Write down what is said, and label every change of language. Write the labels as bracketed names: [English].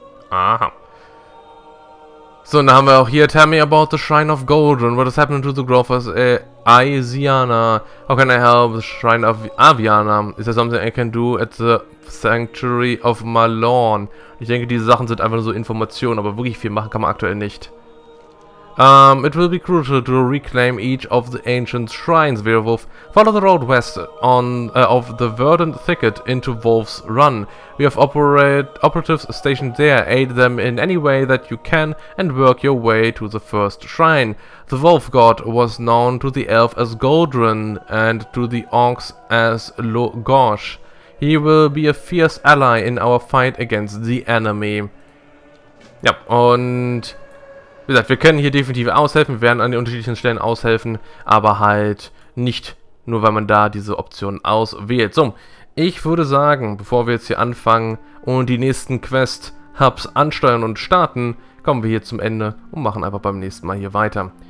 [German] Aha. So, dann haben wir auch hier. [English] Tell me about the Shrine of Guldren. What has happened to the Grove of Aesiana? How can I help the Shrine of Aviana? Is there something I can do at the Sanctuary of Malorn? [German] Ich denke, diese Sachen sind einfach nur so Informationen, aber wirklich viel machen kann man aktuell nicht. [English] It will be crucial to reclaim each of the ancient shrines, Werewolf. Follow the road west on of the Verdant Thicket into Wolf's Run. We have operatives stationed there. Aid them in any way that you can and work your way to the first shrine. The Wolf God was known to the elf as Guldren and to the orcs as Logosh. He will be a fierce ally in our fight against the enemy. Yep, and... [German] Wie gesagt, wir können hier definitiv aushelfen, wir werden an den unterschiedlichen Stellen aushelfen, aber halt nicht nur, weil man da diese Option auswählt. So, ich würde sagen, bevor wir jetzt hier anfangen und die nächsten Quest-Hubs ansteuern und starten, kommen wir hier zum Ende und machen einfach beim nächsten Mal hier weiter.